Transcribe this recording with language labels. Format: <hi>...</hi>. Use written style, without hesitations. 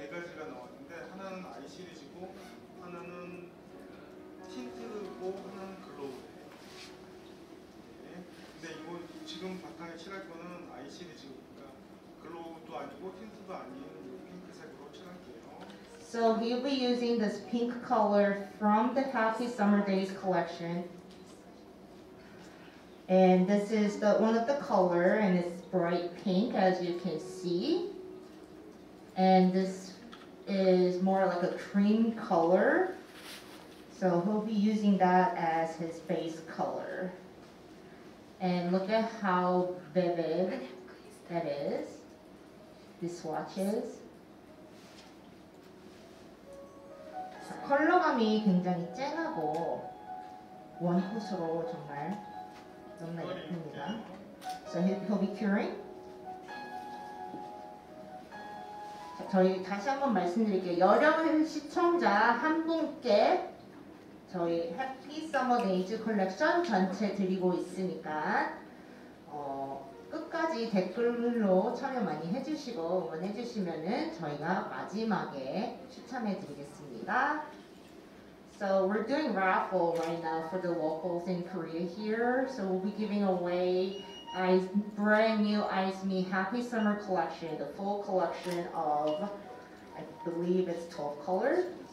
<ko>세 가지가 나왔는데 하나는 아이시리즈고 하나는 틴트고 하나는 글로우래. 네. 근데 이거 지금 바탕에 칠할 거는 아이시리즈니까 글로우도 아니고 틴트도 아닌 핑크색으로 칠할게요.</ko> <en>So he'll be using this pink color from the Happy Summer Days collection. And this is the one of the color, and it's bright pink, as you can see. And this is more like a cream color. So he'll be using that as his base color. And look at how vivid that is, the swatches.</en> <ko>컬러감이 굉장히 쨍하고 원홋으로 정말 너무나 예쁩니다.</ko> <en>So he'll be curing.</en> <ko>저희 다시 한번 말씀드릴게요. 여름 시청자 한 분께 저희 해피 서머 데이즈 컬렉션 전체 드리고 있으니까 끝까지 댓글로 참여 많이 해주시고 응원해주시면은 저희가 마지막에 추첨해 드리겠습니다.</ko> <en>So we're doing raffle right now for the locals in Korea here. So we'll be giving away a brand new iSme Happy Summer collection, the full collection of, I believe it's 12 colors.</en>